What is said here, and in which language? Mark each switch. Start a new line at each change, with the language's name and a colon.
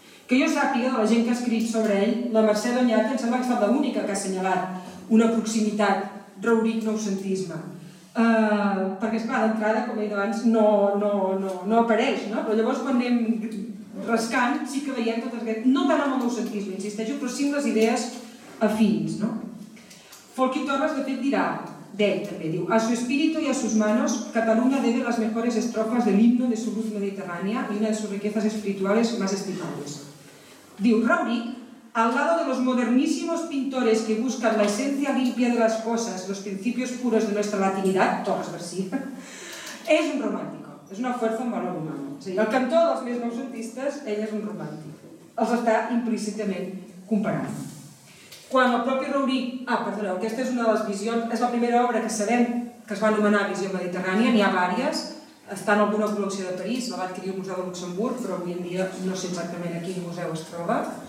Catalan: Que jo sàpiga, de la gent que ha escrit sobre ell, la Mercè Banyat em sembla que ha estat l'única que ha assenyalat una proximitat Rauric-noucentisme. Perquè, esclar, d'entrada, com he dit abans, no apareix, no? Però llavors, quan anem rascant, sí que veiem totes aquestes... No tant amb el noucentisme, insisteixo, però sí amb les idees afins, no?
Spanish: Folky Torres,
Catalan: de fet, dirà, d'ell també, diu,
Spanish: a su espíritu y a sus manos, Cataluña debe las mejores estrofas del himno de su luz mediterránea y una de sus riquezas espirituales más estimables.
Catalan: Diu,
Spanish: Rauric, al lado de los modernísimos pintores que buscan la esencia limpia de las cosas, los principios puros de nuestra latinidad, Torres García, es un romántico, es una fuerza en valor humano.
Catalan: O sigui, el cantor dels més noucentistes, ell és un romàntic. Els està implícitament comparant. Quan el propi Rauric... Ah, perdoneu, aquesta és una de les visions... És la primera obra que sabem que es va anomenar Visió Mediterrània, n'hi ha diverses, està en alguna col·lecció de París, la va adquirir al Museu de Luxemburg, però avui en dia no sé exactament a quin museu es troba.